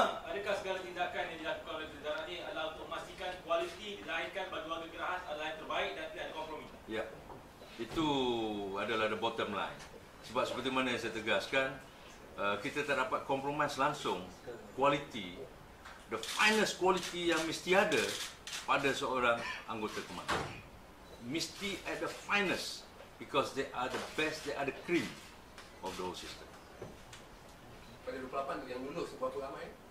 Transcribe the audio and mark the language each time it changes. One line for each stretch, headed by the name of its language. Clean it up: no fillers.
Malay: Adakah segala tindakan yang dilakukan oleh Tuan Zahra ini adalah untuk memastikan kualiti dilahirkan bagi warga Kerahas adalah yang terbaik dan tidak ada kompromi? Ya. Yeah. Itu adalah
English: the bottom line.
Malay: Sebab seperti mana yang saya tegaskan, kita tak dapat kompromis langsung kualiti,
English: the finest quality
Malay: yang mesti ada pada seorang anggota komando. Mesti
English: at the finest because they are the best, they are the cream of the whole system.
Malay: Pada 28 yang lulus, berapa ramai?